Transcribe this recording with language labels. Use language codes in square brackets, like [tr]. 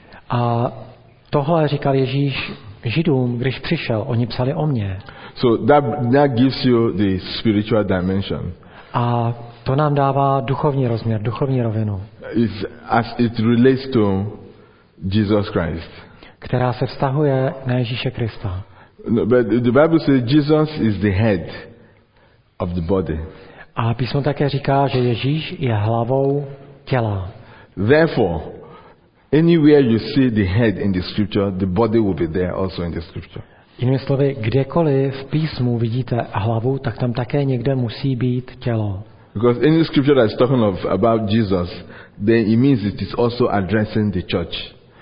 [cs] A tohle říkal Ježíš Židům, když přišel, oni psali o mně. [en] So that gives you the spiritual dimension. [cs] A to nám dává duchovní rozměr, duchovní rovinu. [en] It's as it relates to Jesus Christ. [cs] která se vztahuje na Ježíše Krista. [en] No, but the Bible says Jesus is the head of the body. [cs] A písmo také říká, že Ježíš je hlavou těla. [en] Therefore, anywhere you see the head in the scripture, the body will be there also in the scripture. [cs] Jinými slovy, kdekoliv v písmu vidíte hlavu, tak tam také někde musí být tělo. [en] Because any scripture that is talking of about Jesus, then it means it is also addressing the church.